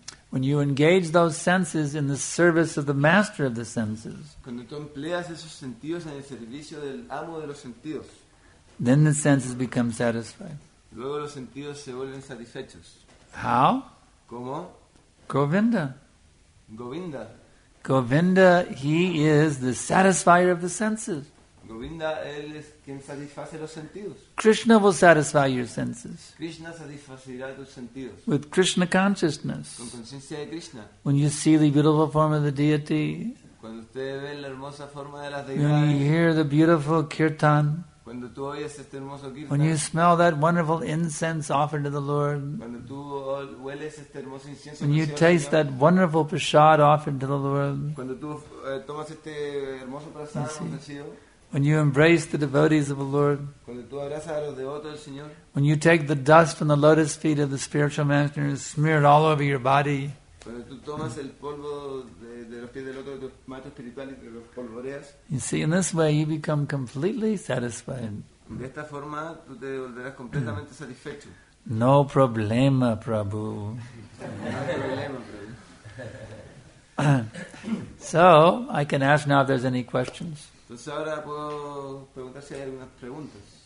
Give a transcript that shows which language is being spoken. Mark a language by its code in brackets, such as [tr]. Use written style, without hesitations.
[en] When you engage those senses in the service of the master of the senses, [es] cuando tú empleas esos sentidos en el servicio del amo de los sentidos, [en] then the senses become satisfied. [es] Luego los sentidos se vuelven satisfechos. [en] How? [es] ¿Cómo? [en] Govinda. [es] Govinda. [en] Govinda, he is the satisfier of the senses. [es] Govinda, él es quien satisface los sentidos. [en] Krishna will satisfy your senses. [es] Krishna satisfacerá tus sentidos. [en] With Krishna consciousness. [es] Con conciencia de Krishna. [en] When you see the beautiful form of the deity. [es] Cuando usted ve la hermosa forma de las deidades. [en] When you hear the beautiful kirtan. [es] Cuando tú oyes este hermoso kirtan. [en] When you smell that wonderful incense offered to the Lord. [es] Cuando tú hueles este hermoso incienso. [en] When you taste that wonderful prasad offered to the Lord. [es] Cuando tú tomas este hermoso prasad ofrecido. [en] When you embrace the devotees of the Lord, [es] cuando tú abrazas a los devotos del Señor, [en] when you take the dust from the lotus feet of the spiritual master and smear it all over your body, [es] cuando tú tomas el polvo de los pies del otro de tu maestro espiritual y los polvoreas, [en] you see, in this way you become completely satisfied. [es] De esta forma tú te volverás completamente satisfecho. No problema, Prabhu. [en] So, I can ask now if there's any questions. [es] Entonces ahora puedo preguntar si hay algunas preguntas.